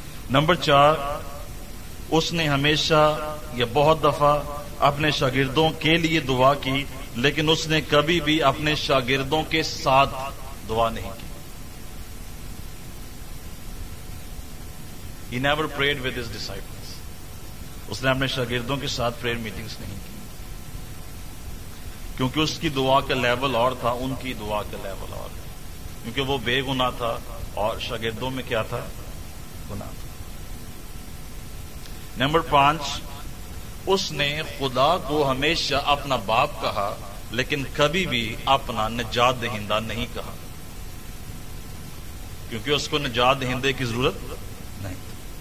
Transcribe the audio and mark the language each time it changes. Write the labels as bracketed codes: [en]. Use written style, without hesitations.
[ur] Number چار، اس نے ہمیشہ یا بہت دفعہ اپنے شاگردوں کے لیے دعا کی لیکن اس نے کبھی بھی اپنے شاگردوں کے ساتھ دعا نہیں کی. [en] He never prayed with his disciples. [ur] اس نے اپنے شاگردوں کے ساتھ پریئر میٹنگز نہیں کی، کیونکہ اس کی دعا کا لیول اور تھا، ان کی دعا کا لیول اور تھا، کیونکہ وہ بے گناہ تھا اور شاگردوں میں کیا تھا؟ گناہ تھا. نمبر پانچ، اس نے خدا کو ہمیشہ اپنا باپ کہا لیکن کبھی بھی اپنا نجات دہندہ نہیں کہا، کیونکہ اس کو نجات دہندے کی ضرورت نہیں تھی.